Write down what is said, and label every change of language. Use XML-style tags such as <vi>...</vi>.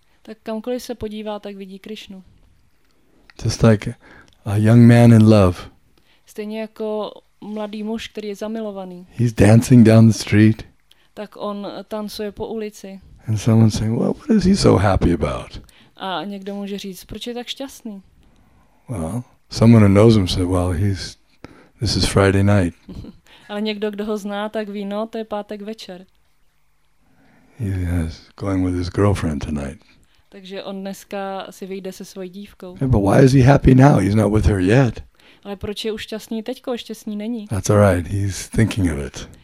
<cs>Tak kamkoliv se podívá, tak vidí Krishnu.</cs> <en>Just like a young man in love.</en> <cs>Stejně jako mladý muž, který je zamilovaný.</cs> <en>He's dancing down the street.</en> <cs>Tak on tancuje po ulici.</cs> <en>And someone saying, well, what is he so happy about?</en> <cs>A někdo může říct, proč je tak šťastný?</cs> <en>Well, someone who knows him said, well, this is Friday night.</en> <cs>Ale někdo, kdo ho zná, tak ví, no, to je pátek večer.</cs> <en>He's going with his girlfriend tonight.</en> <cs>Takže on dneska si vyjde se svojí dívkou.</cs> <en>Yeah, but why is he happy now? He's not with her yet.</en> <cs>Ale proč je už šťastný teďko? Ještě s ní není.</cs> <en>That's all right. He's thinking of it.</en>